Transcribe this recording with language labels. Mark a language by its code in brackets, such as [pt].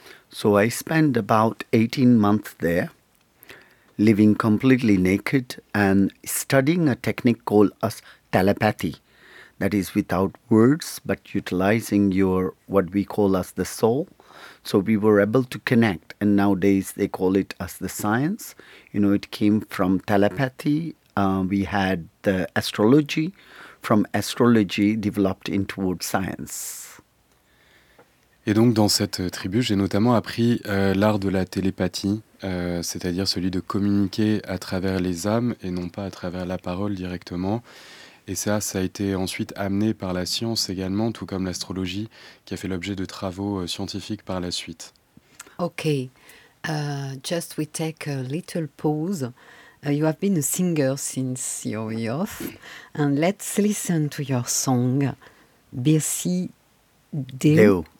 [en] So I spent about 18 months there, living completely naked and studying a technique called as telepathy. That is without words, but utilizing your what we call as the soul. So we were able to connect, and nowadays they call it as the science. You know, it came from telepathy. We had the astrology, from astrology developed into word science. [fr] Et donc dans cette tribu, j'ai notamment appris l'art de la télépathie, c'est-à-dire celui de communiquer à travers les âmes et non pas à travers la parole directement. Et ça, ça a été ensuite amené par la science également, tout comme l'astrologie, qui a fait l'objet de travaux scientifiques par la suite. [en] Okay, just we take a little pause. You have been a singer since your youth, and let's listen to your song, Merci Deo.